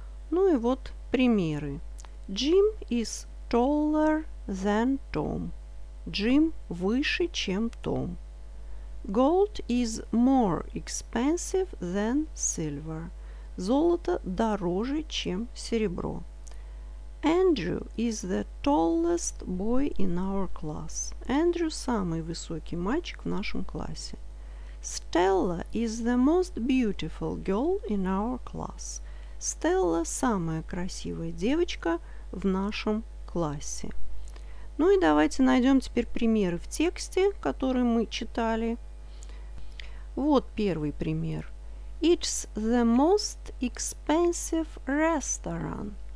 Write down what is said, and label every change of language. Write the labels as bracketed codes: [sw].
[ru] Ну и вот примеры. [en] Jim is taller than Tom. Jim [ru] выше, чем Том. [en] Gold is more expensive than silver. [ru] Золото дороже, чем серебро. [en] Andrew is the tallest boy in our class. [ru] Andrew – самый высокий мальчик в нашем классе. [en] Stella is the most beautiful girl in our class. [ru] Stella – самая красивая девочка в нашем классе. Ну и давайте найдем теперь примеры в тексте, которые мы читали. Вот первый пример. [en] It's the most expensive restaurant.